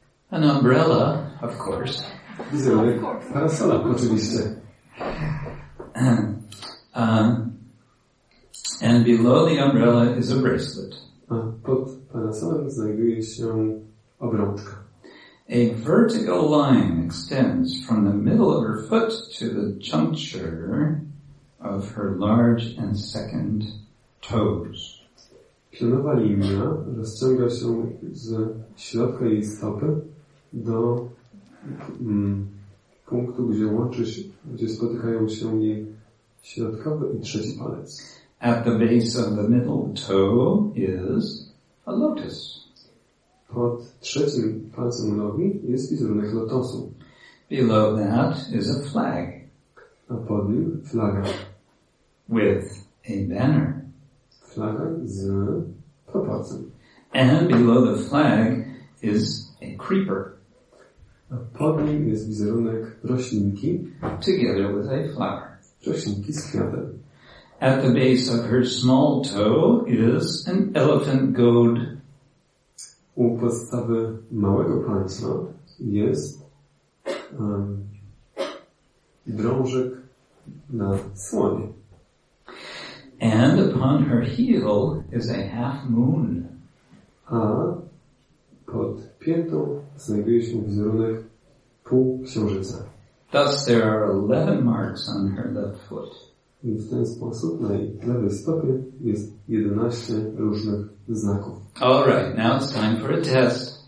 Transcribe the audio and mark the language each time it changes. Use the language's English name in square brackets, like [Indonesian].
[English] An umbrella, of course. [Polish] Wizerunek parasola, oczywiście. [English] And below the umbrella is a bracelet. [Polish] A pod parasolem znajduje się obrączka. [English] A vertical line extends from the middle of her foot to the juncture of her large and second toes. [Polish] Pionowa linia rozciąga się z środka jej stopy do punktu, gdzie łączy się, gdzie spotykają się jej środkowy i trzeci palec. [English] At the base of the middle toe is a lotus. [Polish] Pod trzecim palcem nogi jest wizerunek lotosu. [English] Below that is a flag. [Polish] A pod nim flaga. [English] With a banner. [Polish] Flaga z proporcją. [English] And below the flag is a creeper. [Polish] A pod nim jest wizerunek roślinki. [English] Together with a flower. [Polish] Roślinki z kwiatem. [English] At the base of her small toe is an elephant goad. [Polish] U podstawy małego palca jest drążek na słonie. [English] And upon her heel is a half moon. [Polish] A pod piętą znajduje się wizerunek półksiężyca. [English] Thus there are 11 marks on her left foot. [Polish] I w ten sposób na jej lewej stopie jest 11 różnych znaków. [English] All right, now it's time for a test.